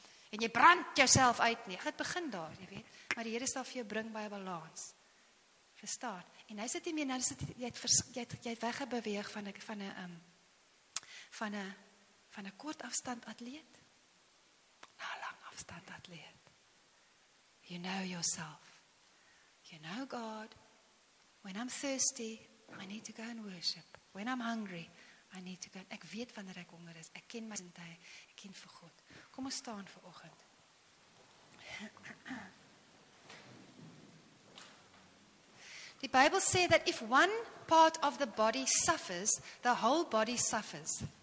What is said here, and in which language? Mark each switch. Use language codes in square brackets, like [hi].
[af] En jy brand jouself uit nie. Dit begin daar, jy weet. Maar die Here sal vir jou bring by 'n balans. Verstaan? En nou sit jy meer, jy het weggebeweeg van 'n kort afstand atleet na 'n lang afstand atleet. [en] You know yourself. You know God. When I'm thirsty, I need to go and worship. When I'm hungry, I need to go. [af] Ek weet wanneer ek honger is. Ek ken my tyd. Ek ken vir God. Kom ons staan vir oggend. Die Bybel sê [en] that if one part of the body suffers, the whole body suffers.